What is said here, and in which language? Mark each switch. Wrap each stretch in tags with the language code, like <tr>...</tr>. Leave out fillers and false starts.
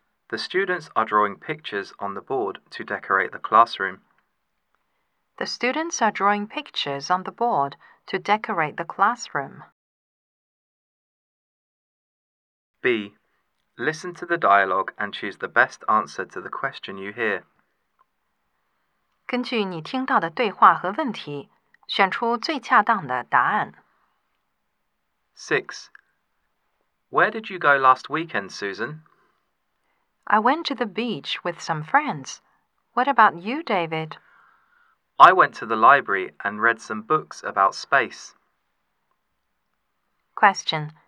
<en>The students are drawing pictures on the board to decorate the classroom. The students are drawing pictures on the board to decorate the classroom. B. Listen to the dialogue and choose the best answer to the question you hear.</en> <zh>根据你听到的对话和问题，选出最恰当的答案。</zh> <en>6. Where did you go last weekend, Susan? I went to the beach with some friends. What about you, David? I went to the library and read some books about space. Question.</en>